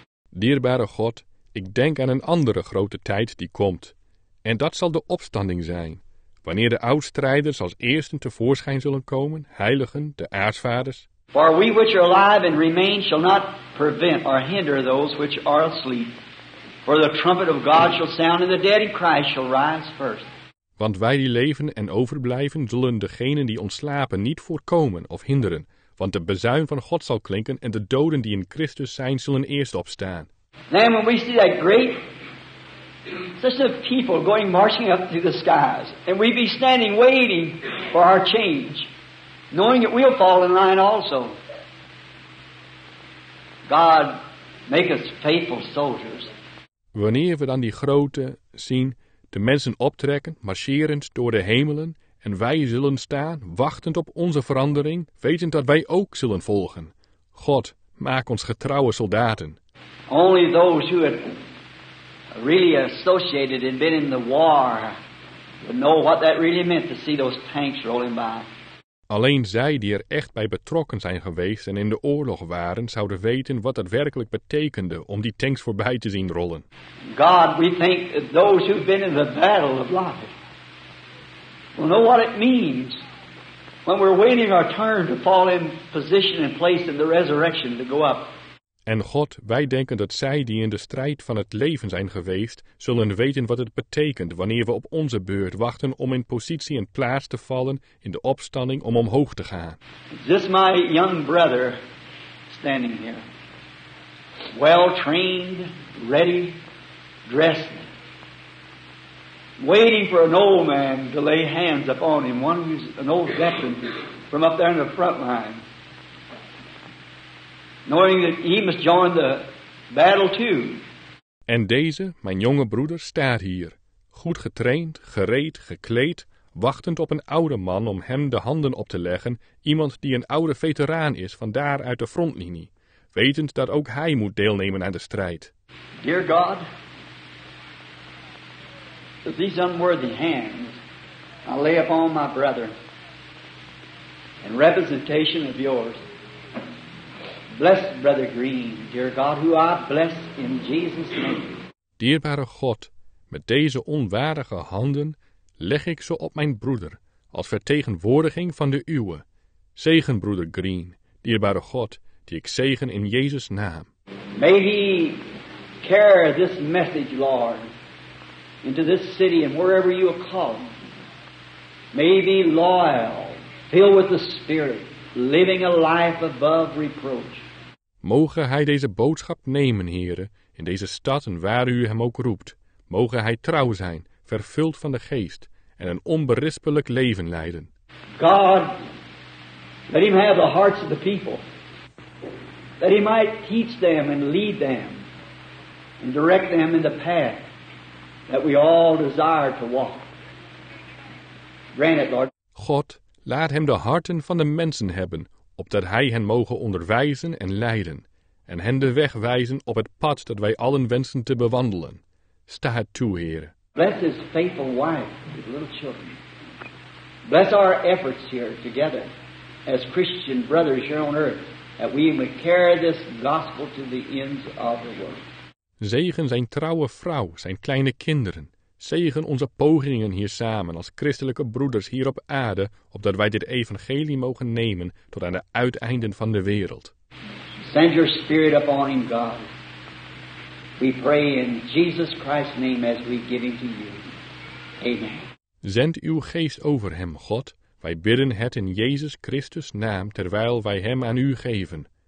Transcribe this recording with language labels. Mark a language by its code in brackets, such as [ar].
[nl] Dierbare God, ik denk aan een andere grote tijd die komt. En dat zal de opstanding zijn. Wanneer de oudstrijders als eersten tevoorschijn zullen komen, heiligen, de aartsvaders. [en] For we which are alive and remain shall not prevent or hinder those which are asleep. For the trumpet of God shall sound and the dead in Christ shall rise first. [nl] Want wij die leven en overblijven zullen degenen die ontslapen niet voorkomen of hinderen. Want de bezuin van God zal klinken en de doden die in Christus zijn zullen eerst opstaan. [en] Then when we see that great such of people going marching up through the skies, and we be standing waiting for our change, knowing that we'll fall in line also. God, make us faithful soldiers. [nl] Wanneer we dan die grote zien, de mensen optrekken, marcherend door de hemelen, en wij zullen staan, wachtend op onze verandering, wetend dat wij ook zullen volgen. God, maak ons getrouwe soldaten. [en] Only those who had really associated and been in the war would know what that really meant to see those tanks rolling by. [nl] Alleen zij die er echt bij betrokken zijn geweest en in de oorlog waren, zouden weten wat het werkelijk betekende om die tanks voorbij te zien rollen. [en] God, we think that those who've been in the battle of life will know what it means when we're waiting our turn to fall in position and place in the resurrection to go up. [nl] En God, wij denken dat zij die in de strijd van het leven zijn geweest, zullen weten wat het betekent wanneer we op onze beurt wachten om in positie en plaats te vallen in de opstanding om omhoog te gaan. [en] This my young brother standing here, well trained, ready, dressed, waiting for an old man to lay hands upon him, one who's an old veteran from up there in the front line. Knowing that he must join the battle too. [nl] En deze, mijn jonge broeder, staat hier, goed getraind, gereed, gekleed, wachtend op een oude man om hem de handen op te leggen, iemand die een oude veteraan is van daar uit de frontlinie, wetend dat ook hij moet deelnemen aan de strijd. [en] Dear God, with these unworthy hands, I lay upon my brother in representation of yours. Bless Brother Green, dear God, who I bless in Jesus' name. [nl] Dierbare God, met deze onwaardige handen leg ik ze op mijn broeder, als vertegenwoordiging van de uwe. Zegen, Brother Green, dierbare God, die ik zegen in Jezus' naam. [en] May he carry this message, Lord, into this city and wherever you are called. May he be loyal, filled with the Spirit, living a life above reproach. [nl] Mogen hij deze boodschap nemen, heren, in deze stad en waar u hem ook roept. Mogen hij trouw zijn, vervuld van de geest en een onberispelijk leven leiden. [en] God, let him have the hearts of the people, that he might teach them and lead them and direct them in the path that we all desire to walk. Grant it, Lord. [nl] God, laat hem de harten van de mensen hebben, opdat hij hen mogen onderwijzen en leiden, en hen de weg wijzen op het pad dat wij allen wensen te bewandelen. Sta het toe, Heere. [en] Bless his faithful wife with little children. Bless our efforts here together, as Christian brothers here on earth, that we may carry this gospel to the ends of the world. [nl] Zegen zijn trouwe vrouw, zijn kleine kinderen. Zegen onze pogingen hier samen als christelijke broeders hier op aarde, opdat wij dit evangelie mogen nemen tot aan de uiteinden van de wereld. [en] Send your spirit upon him, God. We pray in Jesus Christ's name as we give him to you. Amen. [nl] Zend uw geest over hem, God. Wij bidden het in Jezus Christus' naam, terwijl wij hem aan u geven.